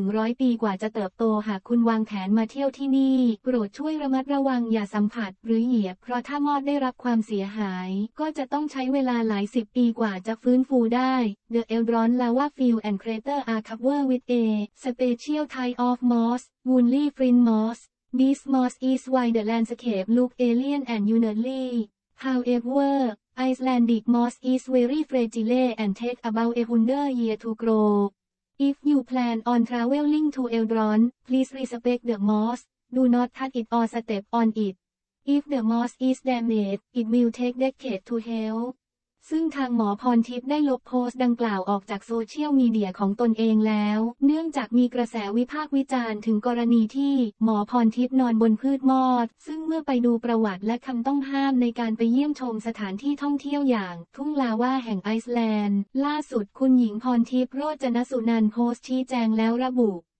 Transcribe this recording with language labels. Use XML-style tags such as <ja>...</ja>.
<th>100ปีกว่าจะเติบโตหากคุณวางแผนมาเที่ยวที่นี่โปรดช่วยระมัดระวังอย่าสัมผัสหรือเหยียบเพราะถ้ามอดได้รับความเสียหายก็จะต้องใช้เวลาหลายสิบปีกว่าจะฟื้นฟูได้</th> <en>The Eldron Lava Field and Crater are covered with a special type of moss, woolly fringe moss. This moss is why the landscape look alien and unearthly. However, Icelandic moss is very fragile and takes about 100 years to grow. If you plan on traveling to Eldron, please respect the moss. Do not touch it or step on it. If the moss is damaged, it will take decades to heal.</en> <th>ซึ่งทางหมอพรทิพย์ได้ลบโพสต์ดังกล่าวออกจากโซเชียลมีเดียของตนเองแล้วเนื่องจากมีกระแสวิพากษ์วิจารณ์ถึงกรณีที่หมอพรทิพย์นอนบนพืชมอดซึ่งเมื่อไปดูประวัติและคำต้องห้ามในการไปเยี่ยมชมสถานที่ท่องเที่ยวอย่างทุ่งลาวาแห่งไอซ์แลนด์ล่าสุดคุณหญิงพรทิพย์โรจนสุนันท์โพสต์ชี้แจงแล้วระบุ</th>